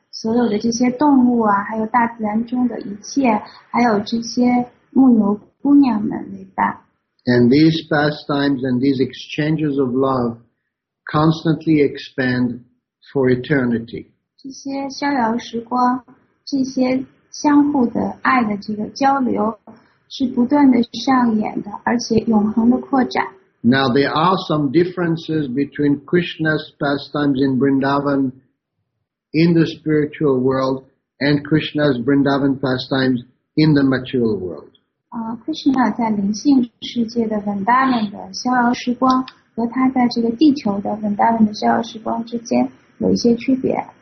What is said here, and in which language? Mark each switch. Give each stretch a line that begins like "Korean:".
Chinese: 所有的这些动物啊，还有大自然中的一切，还有这些牧牛姑娘们，对吧？
English: And these pastimes and these exchanges of love constantly expand for eternity.
Chinese: 这些逍遥时光，这些相互的爱的这个交流，是不断的上演的，而且永恒的扩展。
English: Now there are some differences between Krishna's pastimes in Vrindavan. In the spiritual world and Krishna's Vrindavan pastimes in the material world.
Chinese: Krishna 在灵性世界的 Vrindavan 的逍遥时光和他在这个地球的 Vrindavan 的逍遥时光之间有一些区别。